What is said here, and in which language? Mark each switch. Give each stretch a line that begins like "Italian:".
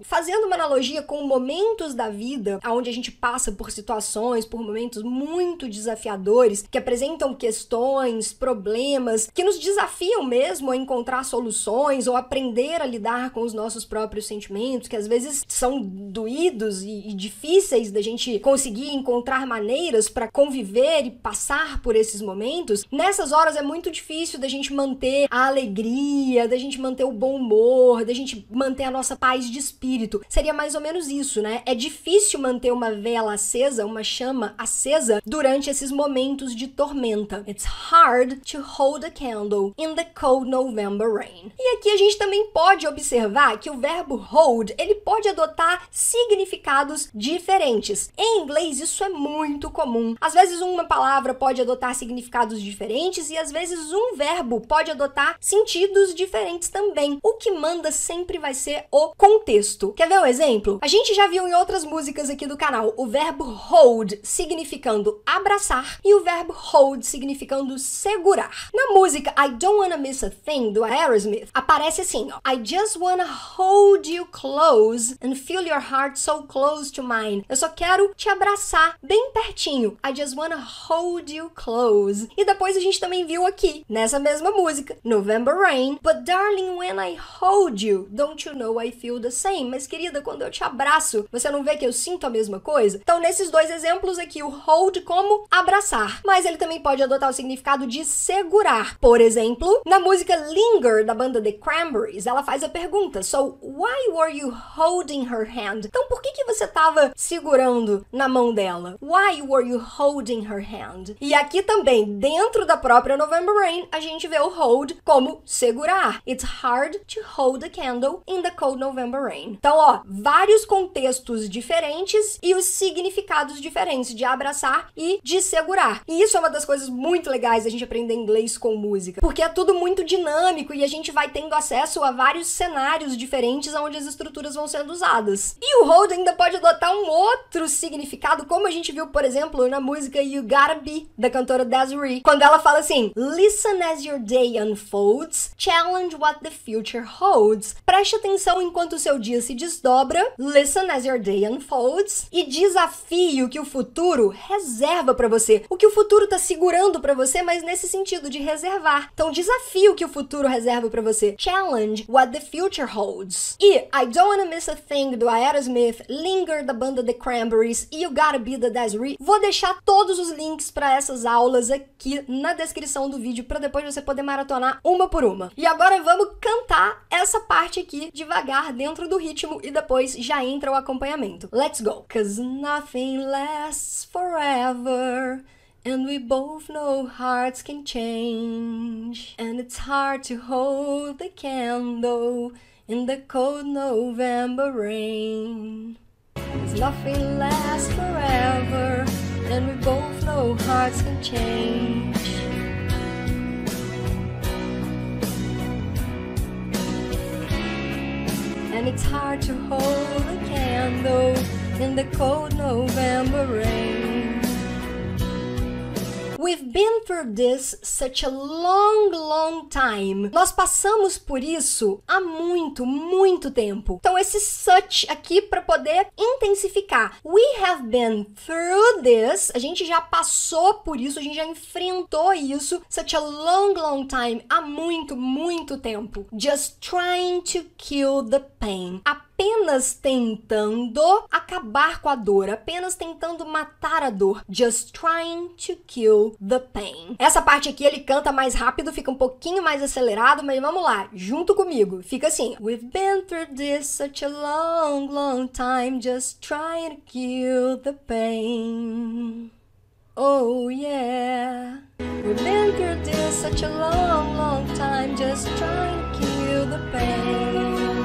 Portuguese: Fazendo uma analogia com momentos da vida, onde a gente passa por situações, por momentos muito desafiadores, que apresentam questões, problemas, que nos desafiam mesmo a encontrar soluções ou aprender a lidar com os nossos próprios sentimentos, que às vezes são doídos e difíceis da gente conseguir encontrar maneiras para conviver e passar por esses momentos. Nessas horas é muito difícil da gente manter a alegria, da gente manter o bom humor, da gente manter a nossa paz de espírito. Seria mais ou menos isso, né? É difícil manter uma vela acesa, uma chama acesa, durante esses momentos de tormenta.
English: It's hard to hold a candle in the cold November rain.
Portuguese: E aqui a gente também pode observar que o verbo hold, ele pode adotar significados diferentes. Em inglês, isso é muito comum. Às vezes, uma palavra pode adotar significados diferentes e, às vezes, um verbo pode adotar sentidos diferentes também. O que manda sempre vai ser o contexto. Quer ver um exemplo? A gente já viu em outras músicas aqui do canal o verbo hold significando abraçar e o verbo hold significando segurar. Na música I Don't Wanna Miss a Thing, do Aerosmith, aparece assim, ó.
English: I just wanna hold you close and feel your heart so close to mine.
Portuguese: Eu só quero te abraçar bem pertinho.
English: I just wanna hold you close.
Portuguese: E depois a gente também viu aqui, nessa mesma música, November Rain.
English: But darling, when I hold you, don't you know I feel the same?
Portuguese: Mas querida, quando eu te abraço, você não vê que eu sinto a mesma coisa? Então, nesses dois exemplos aqui, o hold como abraçar. Mas ele também pode adotar o significado de segurar. Por exemplo, na música Linger, da banda The Cranberries, ela faz a pergunta,
English: so why were you holding her hand?
Portuguese: Então, por que você estava segurando na mão dela?
English: Why were you holding her hand?
Portuguese: E aqui também, dentro da própria November Rain, a gente vê o hold como segurar.
English: It's hard to hold a candle in the cold November rain.
Portuguese: Então, ó, vários contextos diferentes e os significados diferentes de abraçar e de segurar. E isso é uma das coisas muito legais da gente aprender inglês com música, porque é tudo muito dinâmico e a gente vai tendo acesso a vários cenários diferentes onde as estruturas vão sendo usadas. E o hold ainda pode adotar um outro significado, como a gente viu, por exemplo, na música You Gotta Be, da cantora Desiree, quando ela fala assim,
English: listen as your day unfolds, challenge what the future holds.
Portuguese: Preste atenção enquanto o seu dia se desdobra,
English: listen as your day unfolds,
Portuguese: e desafie o que o futuro reserva pra você. O que o futuro tá segurando pra você, mas nesse sentido de reservar. Então desafie o que o futuro reserva pra você.
English: Challenge what the future holds.
Portuguese: E I Don't Wanna Miss a Thing, do Aerosmith, Linger, da banda The Cranberries, e You Gotta Be, da Desiree. Vou deixar todos os links pra essas aulas aqui na descrição do vídeo, pra depois você poder maratonar uma por uma. E agora vamos cantar essa parte aqui devagar dentro do ritmo e depois já entra o acompanhamento.
English: Let's go! 'Cause nothing lasts forever and we both know hearts can change and it's hard to hold the candle in the cold November rain. 'Cause nothing lasts forever and we both know hearts can change. And it's hard to hold a candle in the cold November rain. We've been through this such a long, long time.
Portuguese: Nós passamos por isso há muito, muito tempo. Então, esse such aqui para poder intensificar.
English: We have been through this.
Portuguese: A gente já passou por isso, a gente já enfrentou isso.
English: Such a long, long time.
Portuguese: Há muito, muito tempo.
English: Just trying to kill the pain.
Portuguese: Apenas tentando acabar com a dor, apenas tentando matar a dor.
English: Just trying to kill the pain.
Portuguese: Essa parte aqui ele canta mais rápido, fica um pouquinho mais acelerado, mas vamos lá, junto comigo. Fica assim.
English: We've been through this such a long, long time, just trying to kill the pain. Oh yeah. We've been through this such a long, long time, just trying to kill the pain.